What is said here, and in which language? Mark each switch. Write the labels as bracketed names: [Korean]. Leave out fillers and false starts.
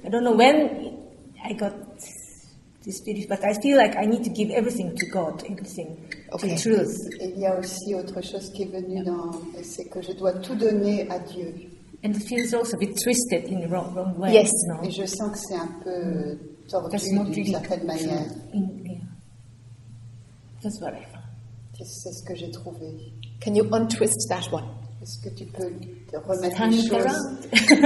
[English] I don't know when I got this belief, but I feel like I need to give everything to God, everything okay. to truth. [French] Et il y a aussi autre chose qui est venue dans, c'est que je dois tout donner à Dieu. [English] And it feels also a bit twisted in the wrong way. Yes. No? [French] Et je sens que c'est un peu tordu d'une [English] really [French] certaine manière. [English] That's what I found. [French] C'est ce que j'ai trouvé. [English] Can you untwist that one? [French] Est-ce que tu peux te remettre les choses?